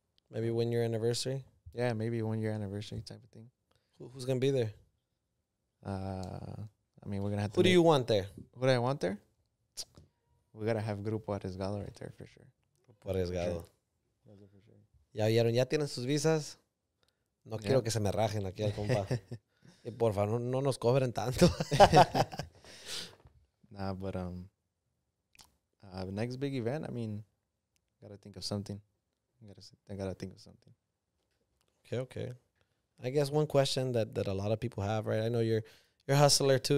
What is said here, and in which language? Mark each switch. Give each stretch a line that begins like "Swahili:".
English: Maybe 1 year anniversary? Yeah, maybe 1 year anniversary type of thing. Who's going to be there? I mean, we're going to have to. Who do you want there? Who do I want there? We got to have Grupo Arriesgado right there for sure.
Spanish: Grupo Arriesgado. Sure. Ya vieron, ya tienen sus visas. No quiero que se me rajen aquí al compa. Y por favor, no nos cobren tanto.
English: Nah, but the next big event, I mean, got to think of something. I got to think of something. Okay, okay. I guess one question that a lot of people have, right? I know you're a hustler too.